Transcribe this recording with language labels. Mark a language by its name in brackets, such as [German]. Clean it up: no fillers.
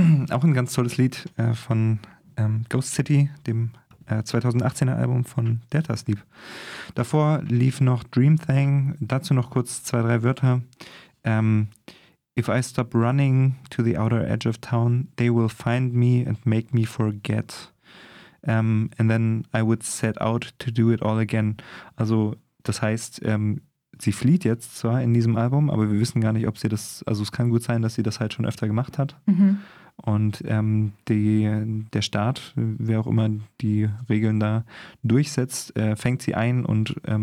[German] Auch ein ganz tolles Lied von Ghost City, dem 2018er Album von Delta Sleep. Davor lief noch Dream Thang, dazu noch kurz zwei, drei Wörter. [English] If I stop running to the outer edge of town, they will find me and make me forget. And then I would set out to do it all again. [German] Also das heißt, sie flieht jetzt zwar in diesem Album, aber wir wissen gar nicht, ob sie das, also es kann gut sein, dass sie das halt schon öfter gemacht hat. Und der Staat, wer auch immer die Regeln da durchsetzt, fängt sie ein und